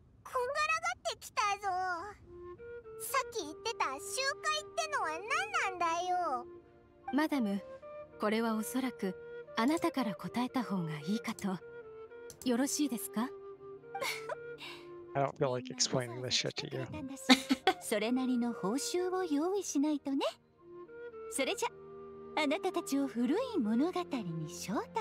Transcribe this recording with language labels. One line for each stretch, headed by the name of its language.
Japanese: こんがらがってきたぞ。さっき言ってた集会ってのは何なんだよ。マダム、これはおそらくあなたから答えた方がいいかと。よろしいですか。
English: I don't feel like explaining this shit to you.
Japanese: それなりの報酬を用意しないとね。それじゃ、あなたたちを古い物語に招待して。